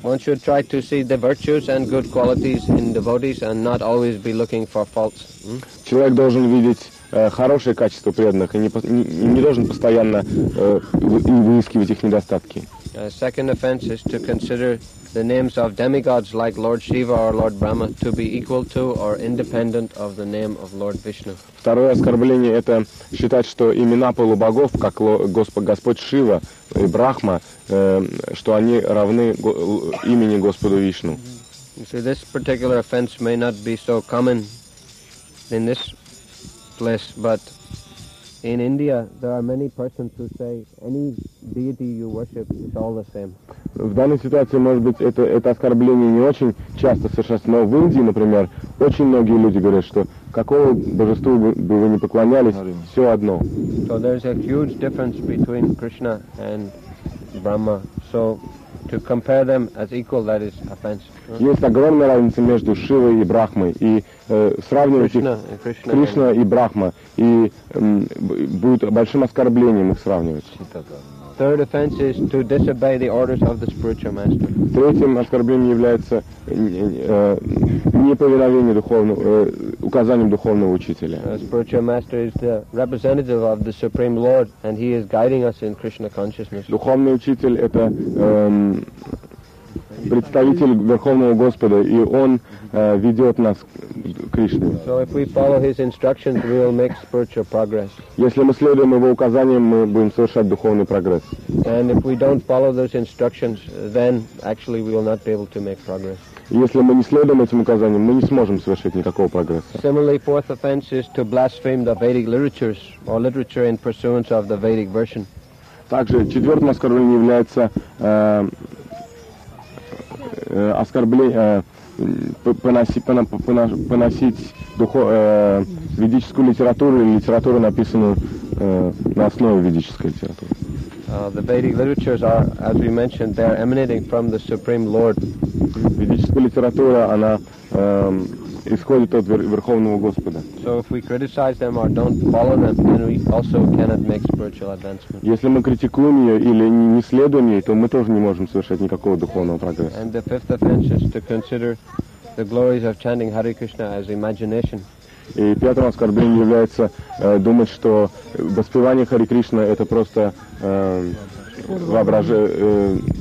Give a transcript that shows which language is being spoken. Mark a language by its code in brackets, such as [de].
[en] One should try to see the virtues and good qualities in devotees and not always be looking for faults. [ru] Человек должен видеть хорошие качества преданных и не должен постоянно выискивать их недостатки. [en] Second offense is to consider the names of demigods like Lord Shiva or Lord Brahma to be equal to or independent of the name of Lord Vishnu. [ru] Второе оскорбление – это считать, что имена полубогов, как Господь Шива и Брахма, что они равны имени Господу Вишну. [en] So this particular offense may not be so common in this place, but in India there are many persons who say any deity you worship is all the same. [ru] В данной ситуации, может быть, это оскорбление не очень часто совершается, но в Индии, например, очень многие люди говорят, что какого божеству бы вы ни поклонялись, все одно. [en] So there's a huge difference between Krishna and Brahma. So to compare them as equal, that is offense. [ru] Есть огромная разница между Шивой и Брахмой, и сравнивать их Кришна и Брахма, и будет большим оскорблением их сравнивать. [en] Third offense is to disobey the orders of the spiritual master. [ru] Третьим оскорблением является неповиновение указанием духовного учителя. [en] The spiritual master is the representative of the supreme Lord, and he is guiding us in Krishna consciousness. [ru] Духовный учитель это представитель Верховного Господа, и он ведет нас к Кришне. [en] So if we follow his instructions, we will make spiritual progress. [ru] Если мы следуем его указаниям, мы будем совершать духовный прогресс. [en] And if we don't follow those instructions, then actually we will not be able to make progress. [ru] Если мы не следуем этим указаниям, мы не сможем совершить никакого прогресса. [en] Similarly, fourth offense is to blaspheme the Vedic literatures or literature in pursuance of the Vedic version. [ru] Также четвертым оскорблением является поносить ведическую литературу или литературу, написанную на основе ведической литературы. [en] The Vedic literatures are, as we mentioned, they are emanating from the Supreme Lord. [ru] Ведическая литература, она исходит от Верховного Господа. [en] So if we criticize them or don't follow them, then we also cannot make spiritual advancement. [ru] Если мы критикуем ее или не следуем ей, то мы тоже не можем совершать никакого духовного прогресса. [en] And the fifth offense is to consider the glories of chanting Hare Krishna as imagination. [ru] И пятым оскорблением является думать, что воспевание Харе Кришна это просто воображение.